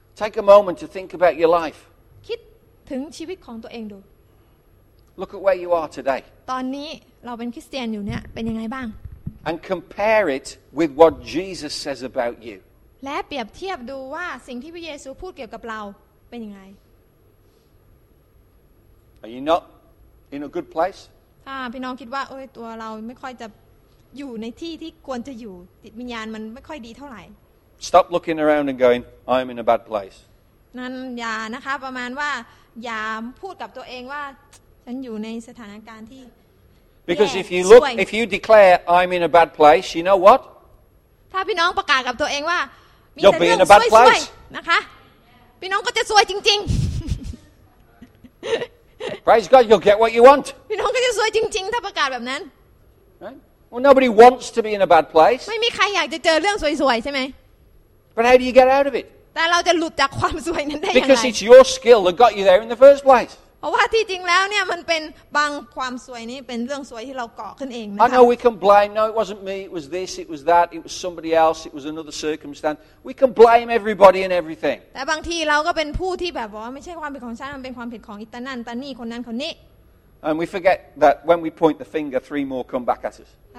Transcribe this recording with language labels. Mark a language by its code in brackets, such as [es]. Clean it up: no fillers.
[en] Take a moment to think about your life. [th] คิดถึงชีวิตของตัวเองดู [en] Look at where you are today. [th] ตอนนี้เราเป็นคริสเตียนอยู่เนี่ยเป็นยังไงบ้าง [en] And compare it with what Jesus says about you. [th] และเปรียบเทียบดูว่าสิ่งที่พระเยซูพูดเกี่ยวกับเราเป็นยังไง [en] Are you not in a good place? [th] ถ้าพี่น้องคิดว่าเอ้ยตัวเราไม่ค่อยจะอยู่ในที่ที่ควรจะอยู่จิตวิญญาณมันไม่ค่อยดีเท่าไหร่ [en] Stop looking around and going I'm in a bad place [th] นั่นอย่านะคะประมาณว่าอย่าพูดกับตัวเองว่าฉันอยู่ในสถานการณ์ที่ [en] Because if you look if you declare I'm in a bad place you know what [th] ถ้าพี่น้องประกาศกับตัวเองว่ามีแต่เรื่องซวย ๆนะคะพี่น้องก็จะซวยจริง [en] ๆ Praise God you'll get what you want [th] พี่น้องก็จะซวยจริงๆถ้าประกาศแบบนั้น [en] Well, nobody wants to be in a bad place. [th] ไม่มีใครอยากจะเจอเรื่องซวยๆใช่มั้ย [en] But how do you get out of it? [th] แต่เราจะหลุดจากความซวยนั้นได้ยังไง [en] Because it's your skill that got you there in the first place. [th] เพราะว่าที่จริงแล้วเนี่ยมันเป็นบางความซวยนี้เป็นเรื่องซวยที่เราก่อขึ้นเองนะคะ [en] I know we can blame. No, it wasn't me. It was this. It was that. It was somebody else. It was another circumstance. We can blame everybody and everything. [th] แต่บางทีเราก็เป็นผู้ที่แบบว่าไม่ใช่ความผิดของฉันมันเป็นความผิดของอีตานั่นตานี่คนนั้นคนนี้ [en] And we forget that when we point the finger, three more come back at us.